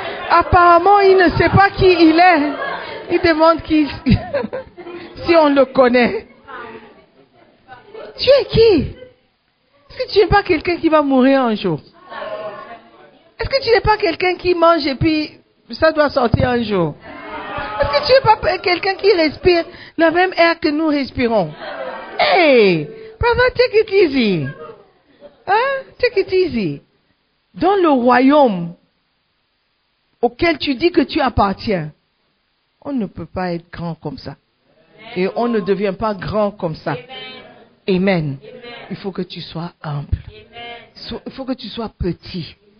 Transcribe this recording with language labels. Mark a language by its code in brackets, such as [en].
[fr] Apparemment, il ne sait pas qui il est. Il demande qui, si on le connaît. Tu es qui? Est-ce que tu n'es pas quelqu'un qui va mourir un jour? Est-ce que tu n'es pas quelqu'un qui mange et puis ça doit sortir un jour? Est-ce que tu n'es pas quelqu'un qui respire la même air que nous respirons? [en] Hey, brother, take it easy. Hein? Take it easy. [fr] Dans le royaume auquel tu dis que tu appartiens, on ne peut pas être grand comme ça. Et on ne devient pas grand comme ça. Amen. Amen. Il faut que tu sois humble. Il faut que tu sois petit.